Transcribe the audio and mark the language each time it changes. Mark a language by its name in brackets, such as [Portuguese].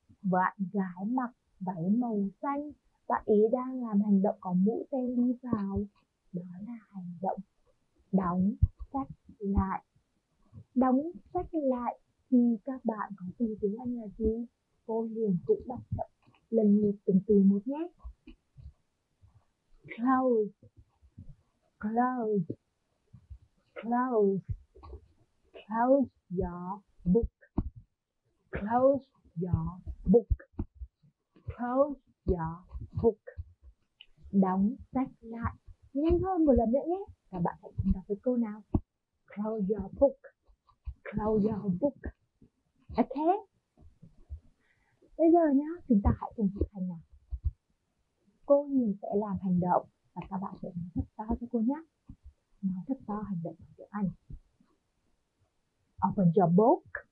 [Vietnamese] Bạn gái mặc váy màu xanh, bạn ý đang làm hành động có mũi tên đi vào. Đó là hành động đóng sách lại. Đóng sách lại thì các bạn có từ tiếng Anh là gì? Cô liền cũng đọc chậm lần lượt từng từ một nhé. [English] Close, close, close, close your book, close your book, close your book. [Vietnamese] Đóng sách lại. Nhanh hơn một lần nữa nhé. Các bạn hãy cùng đọc với cô nào. [English] Close your book, close your book. [Vietnamese] Bây giờ nhá, chúng ta hãy cùng thực hành nào. Cô nhìn sẽ làm hành động và các bạn sẽ nói thật to cho cô nhé. Nói thật to hành động của anh. [English] Open your book.